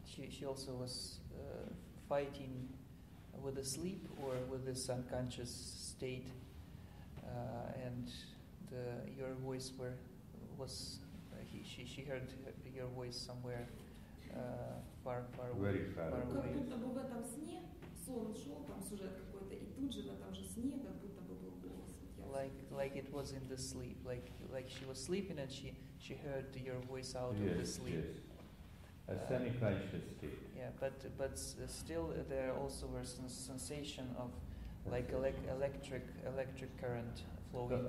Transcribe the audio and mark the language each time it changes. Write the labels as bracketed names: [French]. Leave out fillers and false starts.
[English] She also was fighting with the sleep or with this unconscious state, and the your voice were was she heard your voice somewhere far away. [Russian] Как будто бы в этом сне сон шел, там сюжет какой-то, и тут же на том же сне как будто бы был голос. [English] Like it was in the sleep, like she was sleeping and she heard your voice out yes, of the sleep. Yes. A semi-conscious state. Yeah, but still there also was some sensation of like electric current flowing.